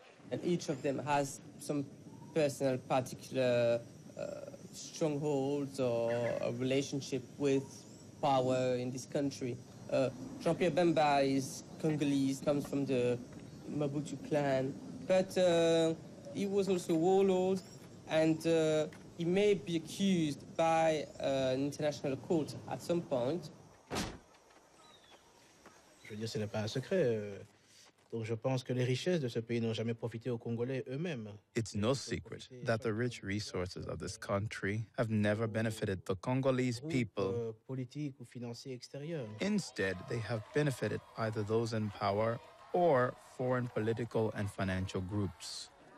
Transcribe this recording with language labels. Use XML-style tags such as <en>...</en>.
<en>And each of them has some personal, particular strongholds or a relationship with power in this country. Jean-Pierre Bemba is Congolese, comes from the Mobutu clan, but he was also a warlord, and he may be accused by an international court at some point.</en> <fr>Je veux dire, ce n'est pas un secret. Donc, je pense que les richesses de ce pays n'ont jamais profité aux Congolais eux-mêmes.</fr> <en>It's no secret that the rich resources of this country have never benefited the Congolese people.</en> <fr>Politique ou financier extérieur.</fr> <en>Instead, they have benefited either those in power or foreign political and financial groups.</en>